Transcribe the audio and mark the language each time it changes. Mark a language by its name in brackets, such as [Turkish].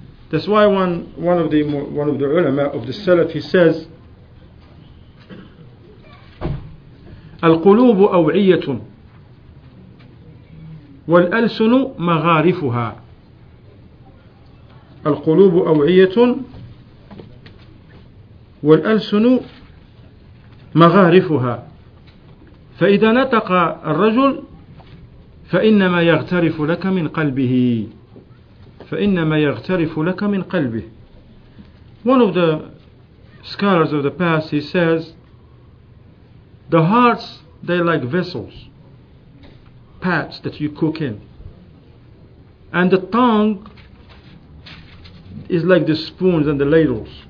[English] That's why one of the ulama of the Salaf, he says, [Arabic] القلوب أوعية والألسن مغارفها. القلوب أوعية والألسن مغارفها. فإذا نطق الرجل فإنما يغترف لك من قلبه. فإنما يغترف لك من قلبه. [English] One of the scholars of the past, he says, the hearts, they're like vessels, pots that you cook in. And the tongue is like the spoons and the ladles.